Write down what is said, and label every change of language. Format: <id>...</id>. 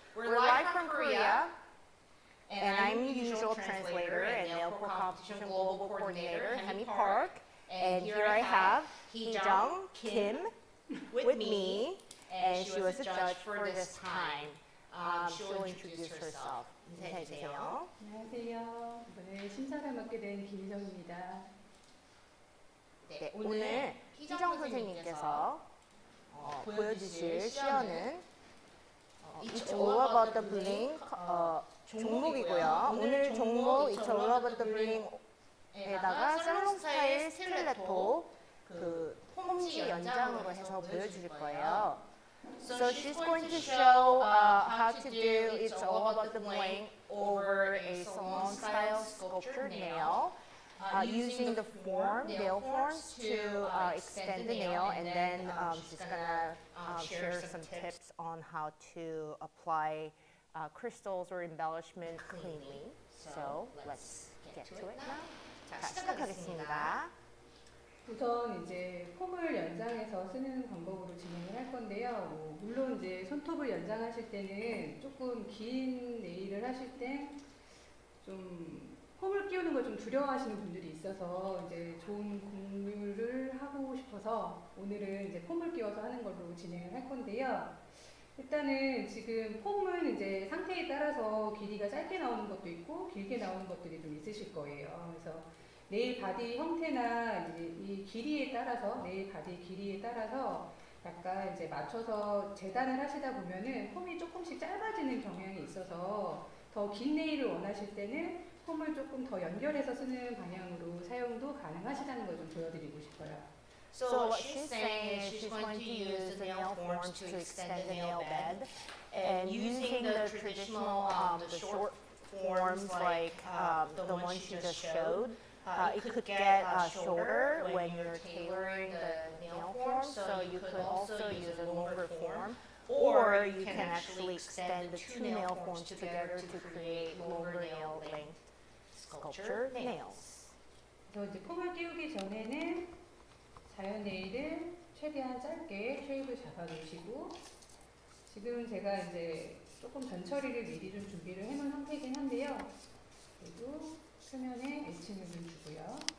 <en>We're live from Korea, and I'm the usual translator and Neopro competition global coordinator, Hemi Park. And here I have Hee-jung Kim with me, and she was a judge for this time. She'll introduce herself.</en> <ko>안녕하세요. 오늘 심사를 맡게 된 김희정입니다. 네, 오늘 희정 선생님께서 보여주실 시연은 It's All About the Bling 종목이고요. 오늘 종목 It's All About the Bling에다가 살롱 스타일 스틸레토 그 홈지 연장으로 해서 보여주실 거예요.</ko> <en>So she's going to show how to do It's All About the Bling over a salon style sculpture nail. Using the form, nail forms to extend the nail, and then she's gonna share some tips on how to apply crystals or embellishment cleanly. So let's get to it now.</en> <ko>자, 시작하겠습니다. 우선 이제 폼을 연장해서 쓰는 방법으로 진행을 할 건데요. 물론 이제 손톱을 연장하실 때는 조금 긴 네일을 하실 때 좀 폼을 끼우는 걸 좀 두려워하시는 분들이 있어서 이제 좋은 공유를 하고 싶어서 오늘은 이제 폼을 끼워서 하는 걸로 진행을 할 건데요. 일단은 지금 폼은 이제 상태에 따라서 길이가 짧게 나오는 것도 있고 길게 나오는 것들이 좀 있으실 거예요. 그래서 네일 바디 형태나 이제 이 길이에 따라서 네일 바디 길이에 따라서 약간 이제 맞춰서 재단을 하시다 보면은 폼이 조금씩 짧아지는 경향이 있어서 더 긴 네일을 원하실 때는 폼을 조금 더 연결해서 쓰는 방향으로 사용도 가능하시다는 걸 좀 보여드리고 싶어요.</ko> <en>So what she's saying is she's going to use the nail forms to extend the nail bed and using the traditional the short forms like the one she just showed, it could get shorter when you're tailoring the nail form, so you could also use a longer form. Or you can actually extend the two nail forms together to create longer nail length. Sculpture nails.</en> <ko>그래서 이제 폼을 끼우기 전에는 자연 네일을 최대한 짧게 쉐입을 잡아주시고 지금 제가 이제 조금 전처리를 미리 좀 준비를 해놓은 상태이긴 한데요. 그리고 표면에 에칭을 좀 주고요.</ko>